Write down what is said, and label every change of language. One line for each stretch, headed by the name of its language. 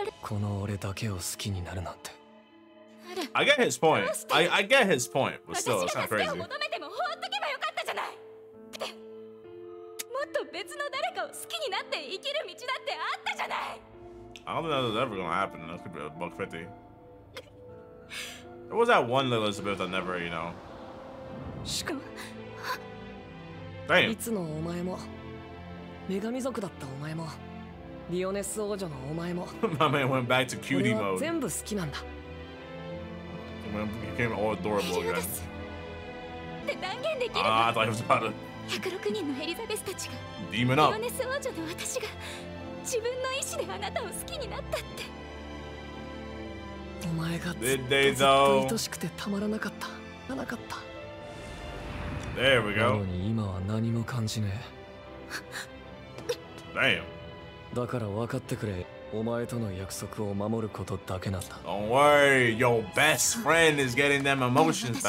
Japanese: この俺だけを好きになるなんて。
English: I get his point. I get his point. But still, it's kind of crazy.
Japanese: 私が助けを求めても放っとけばよかったじゃない。もっと別の誰かを好きになって生きる道だってあったじゃない。
English: I don't know if that's ever gonna happen. That could be a buck 50. There was that one Elizabeth that never, you know. Damn.
Japanese: いつのお前も、女神族だったお前も、リオネス王女のお前も。
English: My man went back to cutie mode.
Japanese: 全部好きなんだ。
English: He became all adorable again.
Japanese: で断言できる。
English: Ah, I thought he was about to.
Japanese: 106人のエリザベスたちが。
English: Demon up.
Japanese: リオネス王女の私が。自分の意志であなたを好きになったって。お前がずっと愛しくてたまらなかった。なかった。
English: There we go。
Japanese: なのに今は何も感じねえ。
English: Damn。
Japanese: だから分かってくれ。お前との約束を守ることだけなんだ。
English: Don't worry, your best friend is getting them emotions back。